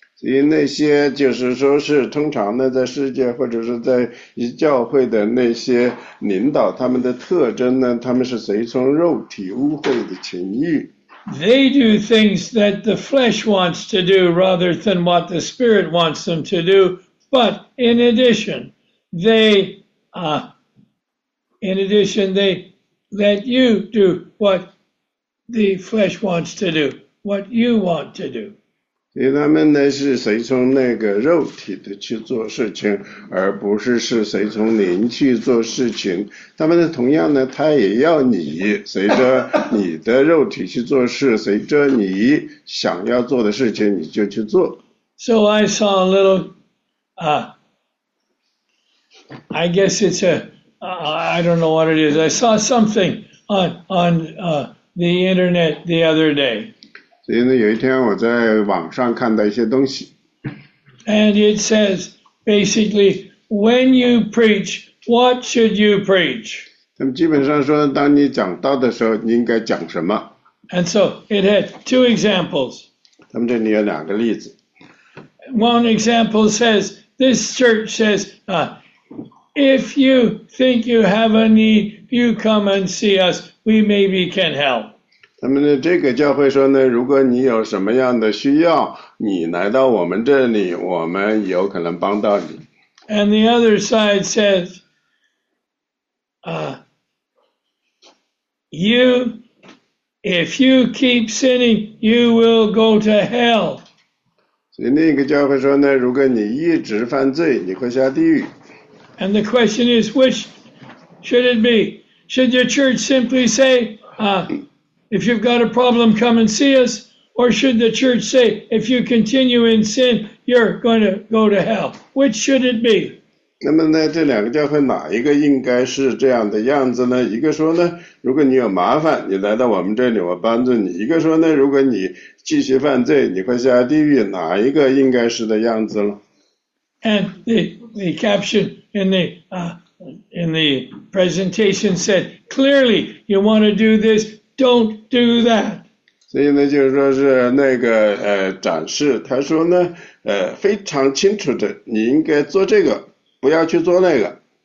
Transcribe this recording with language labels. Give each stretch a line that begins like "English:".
Chinese: 所以那些就是说是通常呢，在世界或者是在教会的那些领导，他们的特征呢，他们是随从肉体污秽的情欲。
English: They do things that the flesh wants to do rather than what the spirit wants them to do. But in addition, they let you do what the flesh wants to do, what you want to do.
Chinese: 所以他们呢是随从那个肉体的去做事情，而不是是随从灵去做事情。他们呢同样呢，他也要你随着你的肉体去做事，随着你想要做的事情你就去做。
English: So I saw a little, I guess it's a, I don't know what it is. I saw something on the internet the other day.
Chinese: 所以呢，有一天我在网上看到一些东西。
English: And it says, basically, when you preach, what should you preach?
Chinese: 他们基本上说，当你讲道的时候，你应该讲什么。
English: And so it had two examples.
Chinese: 他们这里有两个例子。
English: One example says, this church says, If you think you have a need, you come and see us. We maybe can help.
Chinese: 他们的这个教会说呢，如果你有什么样的需要，你来到我们这里，我们有可能帮到你。
English: And the other side says, if you keep sinning, you will go to hell.
Chinese: 所以另一个教会说呢，如果你一直犯罪，你会下地狱。
English: And the question is, which should it be? Should your church simply say, if you've got a problem, come and see us? Or should the church say, if you continue in sin, you're going to go to hell? Which should it be?
Chinese: 那么呢，这两个教会哪一个应该是这样的样子呢？一个说呢，如果你有麻烦，你来到我们这里，我帮助你；一个说呢，如果你继续犯罪，你会下地狱。哪一个应该是的样子了？
English: And the caption in the presentation said, clearly, you want to do this, don't do that.
Chinese: 所以呢，就是说是那个展示，他说呢，非常清楚的，你应该做这个，不要去做那个。